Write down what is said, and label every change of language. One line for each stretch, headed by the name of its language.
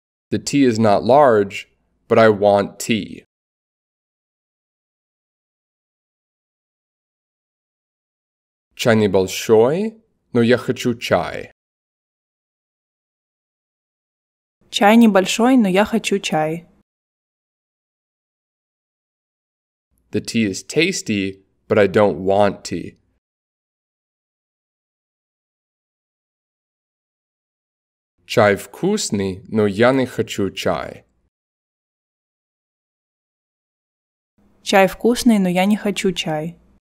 English: The tea is not large, but I want tea.
Russian: Чай не большой, но я хочу чай. Чай небольшой, но я хочу чай.
English: The tea is tasty, but I don't want tea.
Russian: Чай вкусный, но я не хочу чай. Чай вкусный, но я не хочу чай.